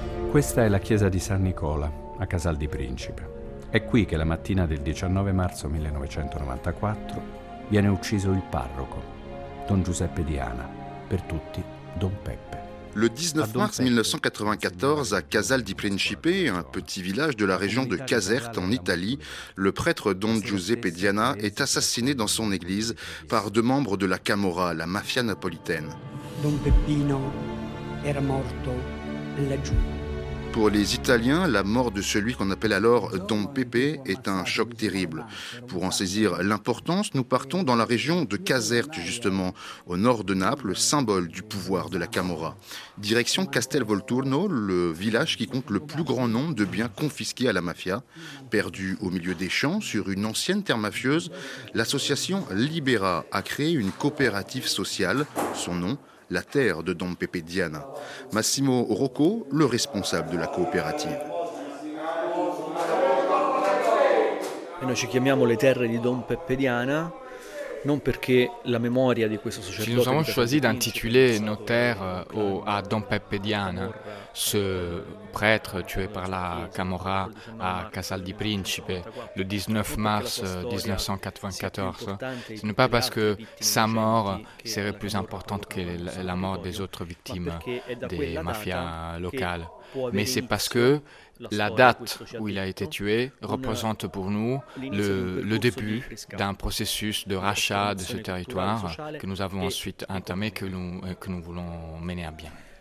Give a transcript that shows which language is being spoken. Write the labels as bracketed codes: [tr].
[it] Questa è la chiesa di San Nicola, a Casal di Principe. È qui che la mattina del 19 marzo 1994 viene ucciso il parroco, Don Giuseppe Diana, per tutti Don Peppe. [fr] Le 19 mars 1994, à Casal di Principe, un petit village de la région de Caserte en Italie, le prêtre Don Giuseppe Diana est assassiné dans son église par deux membres de la Camorra, la mafia napolitaine. [it] Don Peppino era morto laggiù. [fr] Pour les Italiens, la mort de celui qu'on appelle alors Don Pepe est un choc terrible. Pour en saisir l'importance, nous partons dans la région de Caserte, justement, au nord de Naples, symbole du pouvoir de la Camorra. Direction Castelvolturno, le village qui compte le plus grand nombre de biens confisqués à la mafia. Perdu au milieu des champs, sur une ancienne terre mafieuse, l'association Libera a créé une coopérative sociale, son nom, la terre de Don Pepe Diana. Massimo Rocco, le responsable de la coopérative. Nous nous appelons les terres de Don Pepe Diana. [it] Non perché la memoria di questo sacerdote. Ci siamo [fr] choisi d'intituler nos terres à Don Peppe Diana, ce prêtre tué par la Camorra à Casal di Principe le 19 mars 1994. Ce n'est pas parce que sa mort serait plus importante que la mort des autres victimes des mafias locales, mais c'est parce que la date où il a été tué représente pour nous le début d'un processus de rachat de ce territoire que nous avons ensuite entamé, que nous voulons mener à bien.